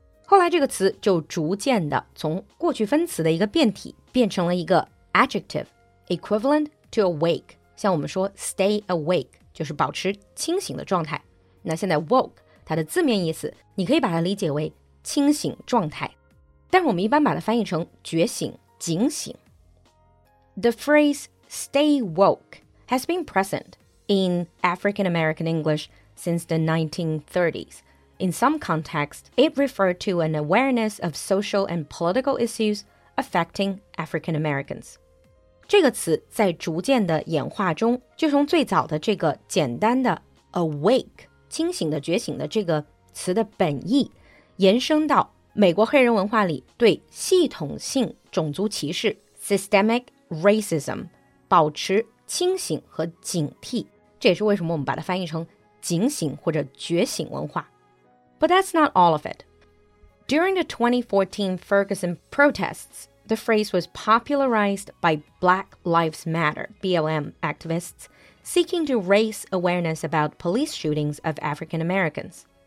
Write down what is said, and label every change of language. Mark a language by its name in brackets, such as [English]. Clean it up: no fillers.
[Chinese] 后来这个词就逐渐的从过去分词的一个变体变成了一个Adjective, [English] equivalent to awake. [Chinese] 像我们说 [English] stay awake, [Chinese] 就是保持清醒的状态。那现在 woke, 它的字面意思你可以把它理解为清醒状态。但我们一般把它翻译成觉醒、警醒。 [English] The phrase stay woke has been present in African American English since the 1930s. In some contexts, it referred to an awareness of social and political issues affecting African Americans. [Chinese] 这个词在逐渐的演化中，就从最早的这个简单的 awake 清醒的觉醒的这个词的本意，延伸到美国黑人文化里对系统性种族歧视 [English] systemic racism [Chinese] 保持清醒和警惕。这也是为什么我们把它翻译成警醒或者觉醒文化。 [English] But that's not all of it. During the 2014 Ferguson protests,The phrase was popularized by Black Lives Matter, BLM, activists seeking to raise awareness about police shootings of African Americans.